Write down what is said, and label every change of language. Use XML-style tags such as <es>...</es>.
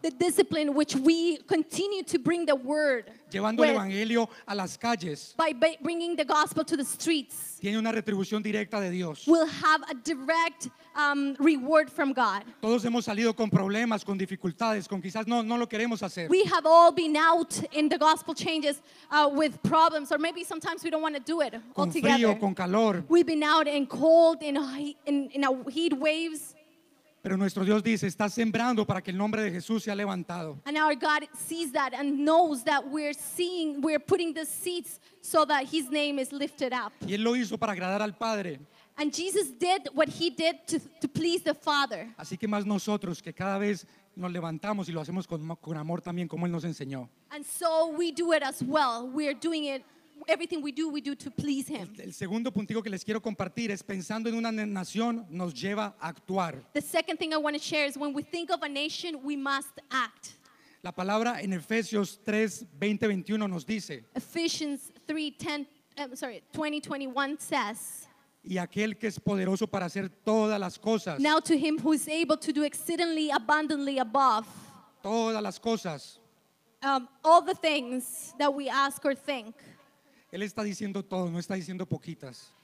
<en>The discipline which we continue to bring the word.</en> <es>Llevando el evangelio a las calles.</es> <en>By bringing the gospel to the streets.</en> <es>Tiene una retribución directa de Dios.</es> <en>We'll have a direct reward from God.</en> <es>Todos hemos salido con problemas, con dificultades, con quizás no lo queremos hacer.</es> <en>We have all been out in the gospel changes with problems, or maybe sometimes we don't want to do it altogether.</en> <es>Con frío, con calor.</es> <en>We've been out in cold, in a heat waves.</en> <es>Pero nuestro Dios dice, está sembrando para que el nombre de Jesús sea levantado.</es> <en>And our God sees that and knows that we're putting the seeds so that his name is lifted up.</en> <es>Y él lo hizo para agradar al Padre.</es> <en>And Jesus did what he did to please the Father.</en> <es>Así que más nosotros que cada vez nos levantamos y lo hacemos con amor también como él nos enseñó.</es> <en>And so we do it as well. We are doing it. Everything we do to please him.</en> <es>El segundo puntico que les quiero compartir es pensando en una nación nos lleva a actuar.</es> <en>The second thing I want to share is when we think of a nation, we must act.</en> <es>La palabra en Efesios 3:20-21 nos dice.</es> <en>Ephesians 3:20-21 says.</en> <es>Y aquel que es poderoso para hacer todas las cosas.</es> <en>Now to him who is able to do exceedingly abundantly above.</en> <es>Todas las cosas.</es> <en>All the things that we ask or think.</en> <es>Él está diciendo todo, no está diciendo poquitas.</es>